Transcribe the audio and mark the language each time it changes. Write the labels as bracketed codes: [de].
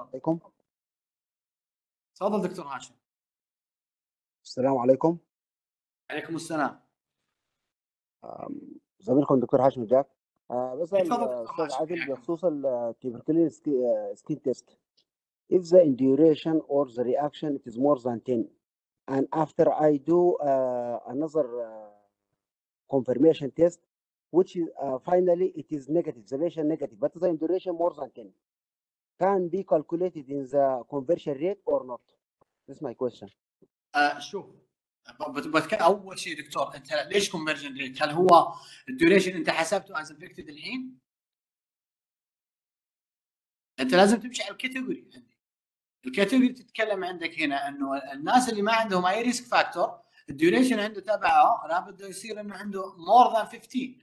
[ar] عليكم. تفضل دكتور هاشم. السلام عليكم. عليكم السلام. زميلكم دكتور هاشم جاك. بسال استاذ عادل بخصوص التيبرتلين سكين تيست. [en] If the duration or the reaction it is more than 10 and after I do another confirmation test which is finally it is negative, the patient negative but the duration more than 10 can be calculated in the conversion rate or not? This is my question. [ar] شوف اول شيء دكتور انت ليش conversion rate؟ هل هو الديوريشن انت حسبته [en] as infected [ar] الحين؟ انت لازم تمشي على الكاتيجوري. الكاتيجوري اللي تتكلم عندك هنا انه الناس اللي ما عندهم اي ريسك فاكتور الديوريشن عنده تبعه لابد يصير انه عنده [en] more than [ar] 15